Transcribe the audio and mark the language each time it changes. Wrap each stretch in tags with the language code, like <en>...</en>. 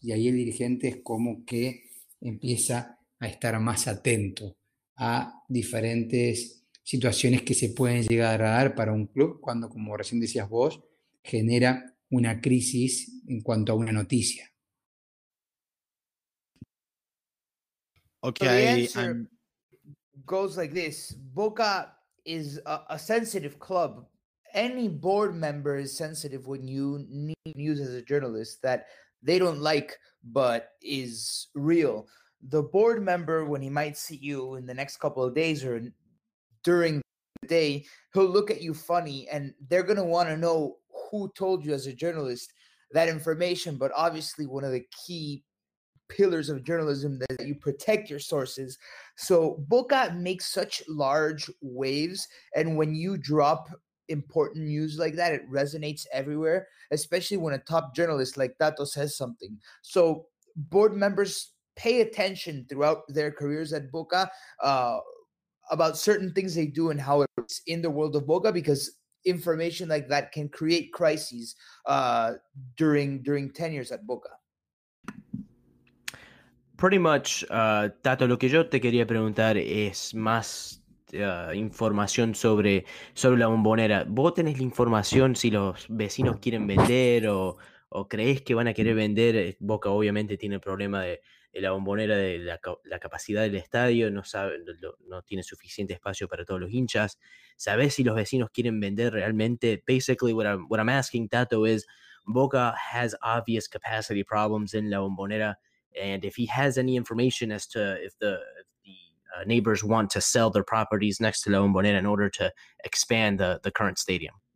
<es>Y ahí el dirigente es como que empieza a estar más atento a diferentes situaciones que se pueden llegar a dar para un club cuando, como recién decías vos, genera una crisis en cuanto a una noticia.</es> <en>Okay, so the answer goes like this. Boca is a sensitive club. Any board member is sensitive when you need news as a journalist that they don't like but is real. The board member, when he might see you in the next couple of days or during the day, he'll look at you funny and they're going to want to know who told you as a journalist that information. But obviously one of the key pillars of journalism that you protect your sources. So Boca makes such large waves. And when you drop important news like that, it resonates everywhere, especially when a top journalist like Tato says something. So board members pay attention throughout their careers at Boca about certain things they do and how it's in the world of Boca, because information like that can create crises during tenures at Boca. Pretty much,</en> <es>Tato, lo que yo te quería preguntar es más información sobre la Bombonera. ¿Vos tenés la información si los vecinos quieren vender o creés que van a querer vender? Boca obviamente tiene el problema de la Bombonera, de la capacidad del estadio, no tiene suficiente espacio para todos los hinchas. ¿Sabés si los vecinos quieren vender realmente?</es> <en>Basically, what I'm asking, Tato, is Boca has obvious capacity problems in La Bombonera, and if he has any information as to if the neighbors want to sell their properties next to La Bombonera in order to expand the current stadium.</en>